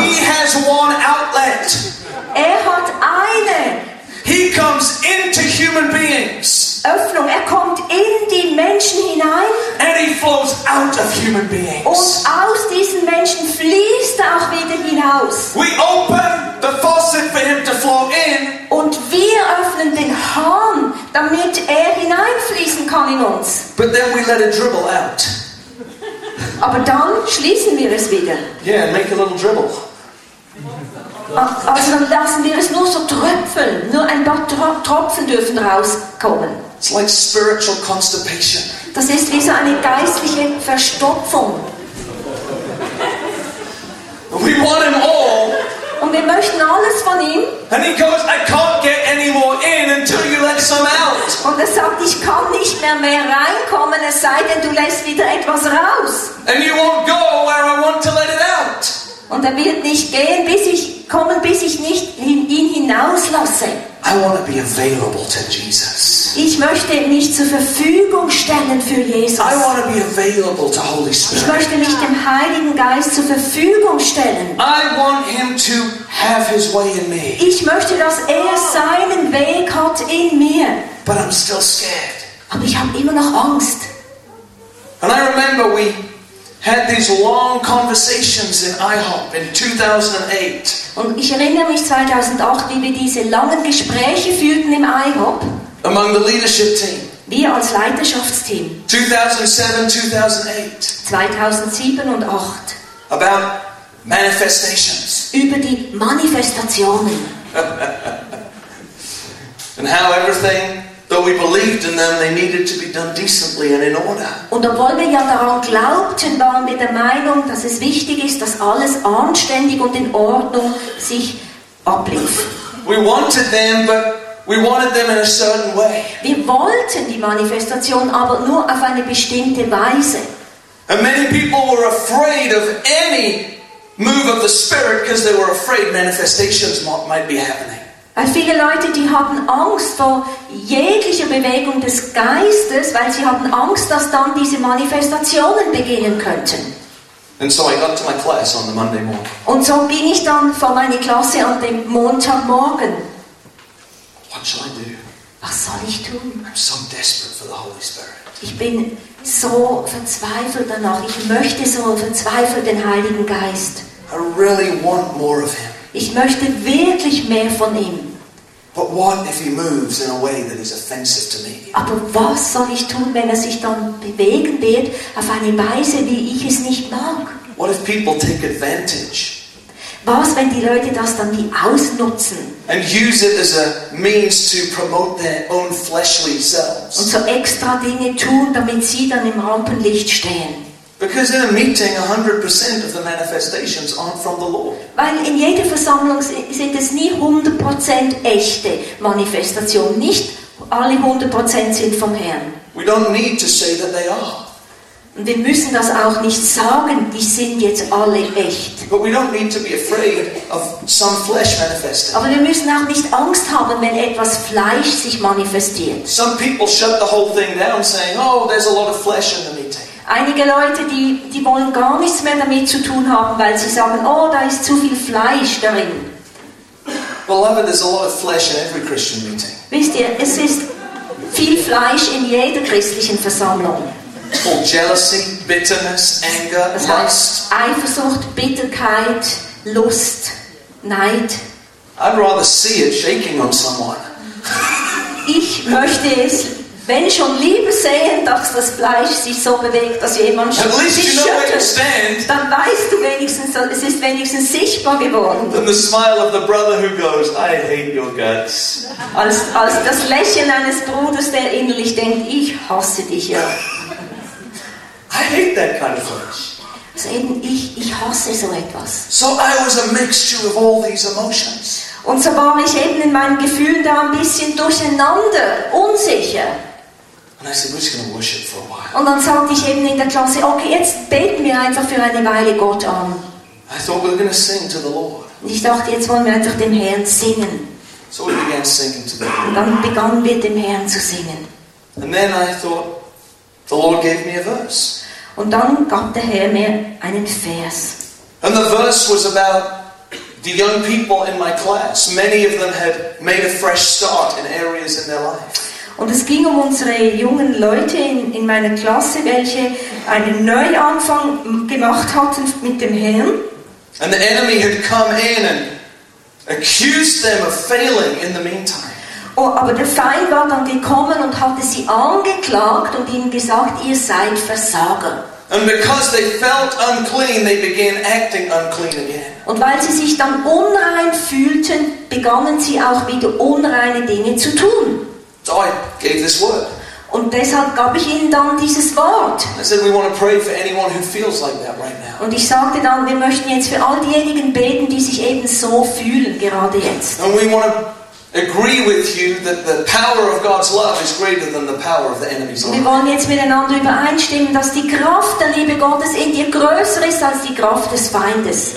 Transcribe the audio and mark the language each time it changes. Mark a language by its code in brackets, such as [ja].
[en] He has one outlet. [de] Er hat eine. [en] He comes into human beings. [de] Öffnung. Er kommt in die Menschen hinein. [en] And he flows out of human beings. [de] Und aus diesen Menschen fließt er auch wieder hinaus. [en] We open the faucet for him to flow in. [de] Und wir öffnen den Hahn, damit er hineinfließen kann in uns. [en] But then we let it dribble out. [de] Aber dann schließen wir es wieder. [en] Yeah, make a little dribble. [de] Also dann lassen wir es nur so tröpfeln. Nur ein paar Tropfen dürfen rauskommen. [en] It's like spiritual constipation. [de] Das ist wie so eine geistliche Verstopfung. [en] We want him all. [de] Und wir möchten alles von ihm. [en] And he goes, I can't get any more in until you let some out. [de] Und er sagt, ich kann nicht mehr reinkommen, es sei denn, du lässt wieder etwas raus. [en] And you won't go where I want to let it out. [de] Und er wird nicht gehen, bis ich kommen, bis ich nicht ihn hinauslasse. [en] I want to be available to Jesus. [de] Ich möchte mich zur Verfügung stellen für Jesus. [en] I want to be available to Holy Spirit. [de] Ich möchte mich dem Heiligen Geist zur Verfügung stellen. [en] I want him to have his way in me. [de] Ich möchte, dass er seinen Weg hat in mir. [en] But I'm still scared. [de] Aber ich habe immer noch Angst. [en] And I remember we had these long conversations in IHOP in 2008. [de] Und ich erinnere mich 2008, wie wir diese langen Gespräche führten im IHOP. [en] Among the leadership team. [de] Wir als Leiterschaftsteam. 2007 und 2008. [en] About manifestations. [de] Über die Manifestationen. [en] And how everything. Though we believed in them, they needed to be done decently and in order. [de] Und obwohl wir ja daran glaubten, waren wir der Meinung, dass es wichtig ist, dass alles anständig und in Ordnung sich ablief. [en] We wanted them, but we wanted them in a certain way. [de] Wir wollten die Manifestation, aber nur auf eine bestimmte Weise. [en] And many people were afraid of any move of the Spirit because they were afraid manifestations might be happening. [de] Weil viele Leute, die hatten Angst vor jeglicher Bewegung des Geistes, weil sie hatten Angst, dass dann diese Manifestationen beginnen könnten. [en] And so I got to my class on the Monday morning. [de] Und so ging ich dann vor meine Klasse an dem Montagmorgen. [en] What shall I do? [de] Was soll ich tun? [en] I'm so desperate for the Holy Spirit. [de] Ich bin so verzweifelt danach. Ich möchte so verzweifelt den Heiligen Geist. [en] I really want more of him. [de] Ich möchte wirklich mehr von ihm. [en] But what if he moves in a way that is offensive to me? [de] Aber was soll ich tun, wenn er sich dann bewegen wird auf eine Weise, wie ich es nicht mag? [en] What if people take advantage? [de] Was, wenn die Leute das dann wie ausnutzen? [en] And use it as a means to promote their own fleshly selves. [de] Und so extra Dinge tun, damit sie dann im Rampenlicht stehen. [en] Because in a meeting, 100% of the manifestations aren't from the Lord. [de] Weil in jeder Versammlung sind es nie 100% echte Manifestationen. Nicht alle 100% sind vom Herrn. [en] We don't need to say that they are. [de] Und wir müssen das auch nicht sagen, die sind jetzt alle echt. [en] But we don't need to be afraid of some flesh manifesting. [de] Aber wir müssen auch nicht Angst haben, wenn etwas Fleisch sich manifestiert. [en] Some people shut the whole thing down saying, oh, there's a lot of flesh in the meeting. [de] Einige Leute, die wollen gar nichts mehr damit zu tun haben, weil sie sagen, oh, da ist zu viel Fleisch darin. [en] Beloved, there's a lot of flesh in every Christian meeting. [de] Wisst ihr, es ist viel Fleisch in jeder christlichen Versammlung. [en] For jealousy, bitterness, anger, [de] das heißt, [en] lust. [de] Eifersucht, Bitterkeit, Lust, Neid. [en] I'd rather see it shaking on someone. [de] Ich möchte es, wenn schon, lieber sehen, dass das Fleisch sich so bewegt, dass jemand schon sich schüttelt. Dann weißt du wenigstens, es ist wenigstens sichtbar geworden. [en] And the smile of the brother who goes, I hate your guts. [de] Als das Lächeln eines Bruders, der innerlich denkt, ich hasse dich ja. [en] I hate that kind of flesh. [de] Also eben, ich hasse so etwas. [en] So I was a mixture of all these emotions. [de] Und so war ich eben in meinen Gefühlen da ein bisschen durcheinander, unsicher. [en] And I said, we're just gonna worship for a while. [de] Und dann sagte ich eben in der Klasse, okay, jetzt beten wir einfach für eine Weile Gott an. [en] I thought we're gonna sing to the Lord. [de] Und ich dachte, jetzt wollen wir einfach dem Herrn singen. [en] So we began singing to the Lord. [de] Und dann begannen wir dem Herrn zu singen. [en] And then I thought, the Lord gave me a verse. [de] Und dann gab der Herr mir einen Vers. [en] And the verse was about the young people in my class. Many of them had made a fresh start in areas in their life. [de] Und es ging um unsere jungen Leute in meiner Klasse, welche einen Neuanfang gemacht hatten mit dem Herrn. [en] And the enemy had come in and accused them of failing in the meantime. [de] Oh, aber der Feind war dann gekommen und hatte sie angeklagt und ihnen gesagt, ihr seid Versager. [en] And because they felt unclean, they began acting unclean again. [de] Und weil sie sich dann unrein fühlten, begannen sie auch wieder unreine Dinge zu tun. [en] So I gave this word. [de] Und deshalb gab ich ihnen dann dieses Wort. [en] I said, we want to pray for anyone who feels like that right now. [de] Und ich sagte dann, wir möchten jetzt für all diejenigen beten, die sich eben so fühlen, gerade jetzt. [en] And we want to agree with you that the power of God's love is greater than the power of the enemy's love. [de] Wir wollen jetzt miteinander übereinstimmen, dass die Kraft der Liebe Gottes in dir größer ist als die Kraft des Feindes.